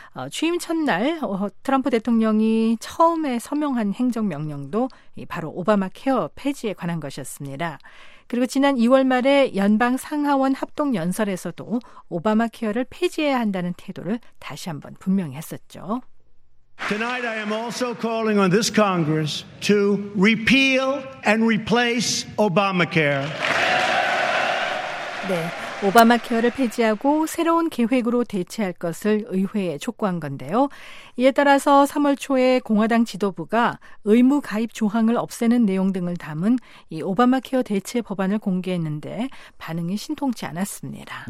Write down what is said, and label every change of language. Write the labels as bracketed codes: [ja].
[ko] 취임 첫날 트럼프 대통령이 처음에 서명한 행정명령도 이 바로 오바마 케어 폐지에 관한 것이었습니다. 그리고 지난 2월 말에 연방 상하원 합동연설에서도 오바마 케어를 폐지해야 한다는 태도를 다시 한번 분명히 했었죠. [en] Tonight I am also calling on this Congress to repeal and replace Obamacare. [ko] 네, 오바마케어를 폐지하고 새로운 계획으로 대체할 것을 의회에 촉구한 건데요. 이에 따라서 3월 초에 공화당 지도부가 의무 가입 조항을 없애는 내용 등을 담은 이 오바마케어 대체 법안을 공개했는데 반응이 신통치 않았습니다.